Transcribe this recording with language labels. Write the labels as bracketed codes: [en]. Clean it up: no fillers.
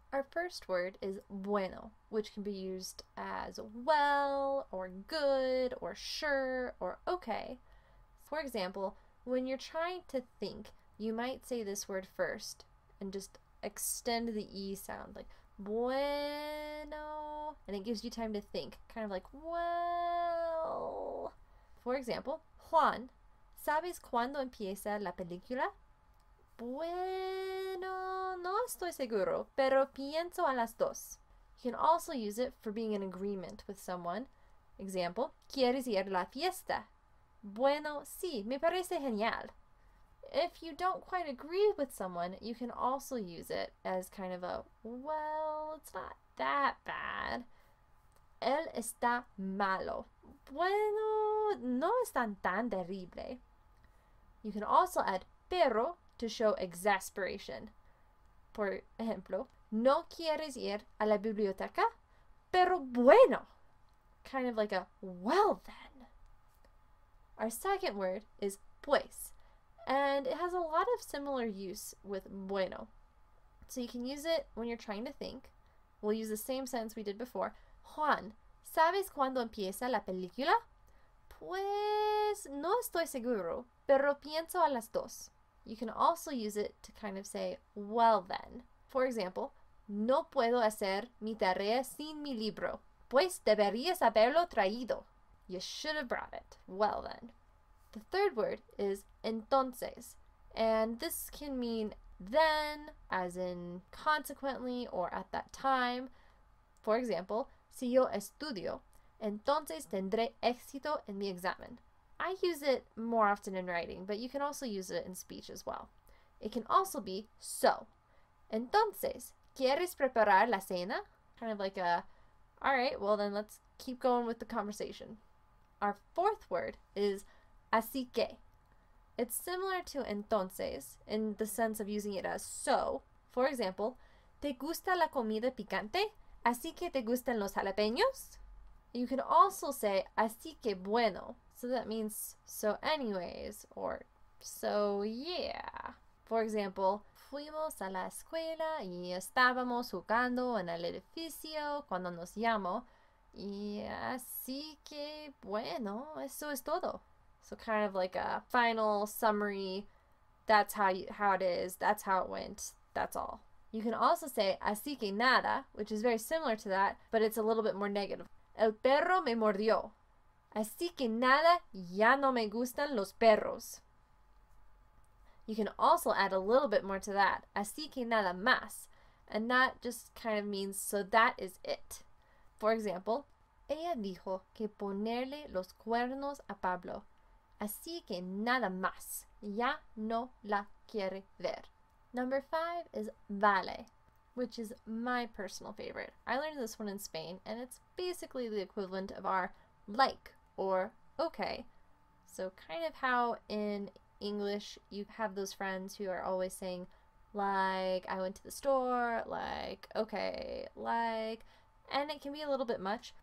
[en] Our first word is bueno, which can be used as well or good or sure or okay. For example, when you're trying to think, you might say this word first and just extend the E sound like bueno, and it gives you time to think, kind of like well. [es] For example, Juan, ¿sabes cuándo empieza la película? Bueno, no estoy seguro, pero pienso a las dos. [en] You can also use it for being in agreement with someone. Example, [es] ¿quieres ir a la fiesta? Bueno, sí, me parece genial. [en] If you don't quite agree with someone, you can also use it as kind of a, well, it's not that bad. [es] Él está malo. Bueno, no es tan terrible. [en] You can also add pero to show exasperation. [es] Por ejemplo, no quieres ir a la biblioteca, pero bueno. [en] Kind of like a well then. Our second word is pues, and it has a lot of similar use with bueno. So you can use it when you're trying to think. We'll use the same sentence we did before. [es] Juan, ¿sabes cuándo empieza la película? Pues no estoy seguro, pero pienso a las dos. [en] You can also use it to kind of say, well then. For example, [es] no puedo hacer mi tarea sin mi libro. Pues deberías haberlo traído. [en] You should have brought it. Well then. The third word is entonces, and this can mean then, as in consequently or at that time. For example, [es] si yo estudio, entonces tendré éxito en mi examen. [en] I use it more often in writing, but you can also use it in speech as well. It can also be so. [es] Entonces, ¿quieres preparar la cena? [en] Kind of like a, all right, well then let's keep going with the conversation. Our fourth word is así que. It's similar to entonces in the sense of using it as so. For example, [es] ¿te gusta la comida picante? Así que te gustan los jalapeños? [en] You can also say, [es] así que bueno. [en] So that means, so anyways, or so yeah. For example, [es] fuimos a la escuela y estábamos jugando en el edificio cuando nos llamó. Y así que bueno, eso es todo. [en] So kind of like a final summary. That's how it is. That's how it went. That's all. You can also say así que nada, which is very similar to that, but it's a little bit more negative. [es] El perro me mordió. Así que nada, ya no me gustan los perros. [en] You can also add a little bit more to that. [es] Así que nada más. [en] And that just kind of means, so that is it. For example, [es] ella dijo que ponerle los cuernos a Pablo. Así que nada más. Ya no la quiere ver. [en] Number 5 is vale, which is my personal favorite. I learned this one in Spain, and it's basically the equivalent of our like or okay. So kind of how in English you have those friends who are always saying, like, I went to the store, like, okay, like, and it can be a little bit much.